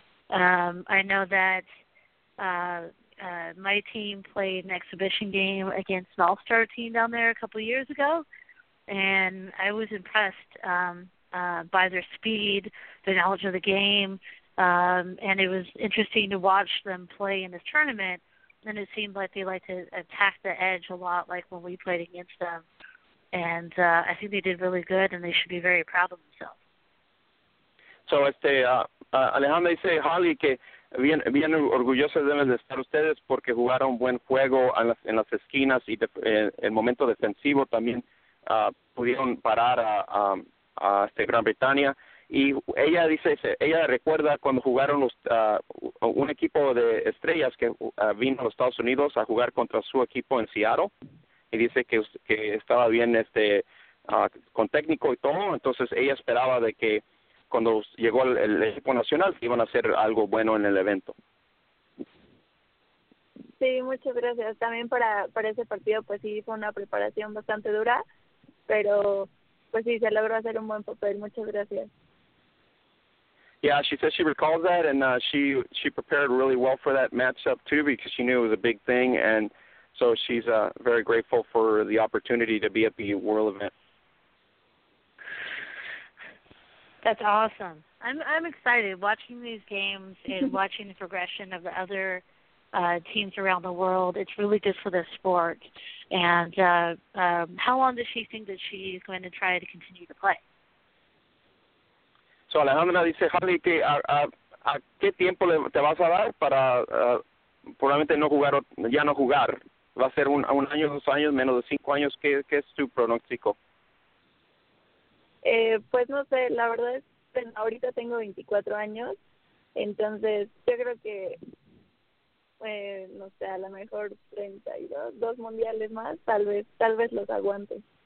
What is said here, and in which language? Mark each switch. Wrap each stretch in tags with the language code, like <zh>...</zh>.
<en>I know that my team played an exhibition game against an all-star team down there a couple years ago, and I was impressed by their speed, their knowledge of the game, and it was interesting to watch them play in this tournament. And it seemed like they liked to attack the edge a lot, like when we played against them. And I think they did really good, and they should be very proud of themselves.</en> <es>So, Alejandra dice, Holly, que bien orgullosos deben de estar ustedes porque jugaron buen juego en las esquinas y el momento defensivo también pudieron parar a este Gran Bretaña. Y ella dice, ella recuerda cuando jugaron un equipo de estrellas que vino a los Estados Unidos a jugar contra su equipo en Seattle, y dice que estaba bien con técnico y todo. Entonces ella esperaba de que cuando llegó el equipo nacional iban a hacer algo bueno en el evento. Sí, muchas gracias. También para ese partido, pues sí, fue una preparación bastante dura, pero pues sí, se logró hacer un buen papel. Muchas gracias.</es> <en>Yeah, she says she recalls that, and she prepared really well for that matchup too because she knew it was a big thing, and so she's very grateful for the opportunity to be at the World event. That's awesome. I'm excited watching these games and watching the progression of the other teams around the world. It's really good for the sport. And how long does she think that she's going to try to continue to play?</en> <es>So Alejandra dice, Holly, que a qué tiempo te vas a dar para probablemente no jugar, ya no jugar? ¿Va a ser un año, dos años, menos de cinco años? ¿Qué es tu pronóstico? Pues no sé, la verdad es que ahorita tengo 24 años, entonces yo creo que, no sé, a lo mejor 32, dos mundiales más, tal vez los aguante.</es>